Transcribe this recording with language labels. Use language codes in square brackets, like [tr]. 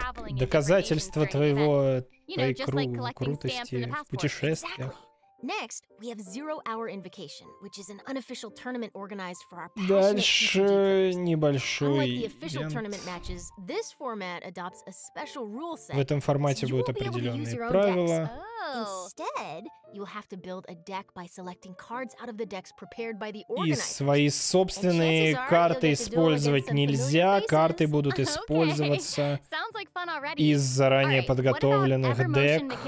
[ru] Доказательство твоего крутости в путешествиях. [en] Next, we have zero-hour invocation, which is an unofficial tournament organized for our passionate [ru] Дальше небольшой [en] Unlike the official event. Tournament matches, this format adopts a special rule set. [ru] В этом формате будут определенные правила. [en] Instead, you'll have to build a deck by selecting cards out of the decks prepared by the organizer. [ru] И свои собственные карты использовать нельзя, карты будут использоваться из заранее подготовленных дек.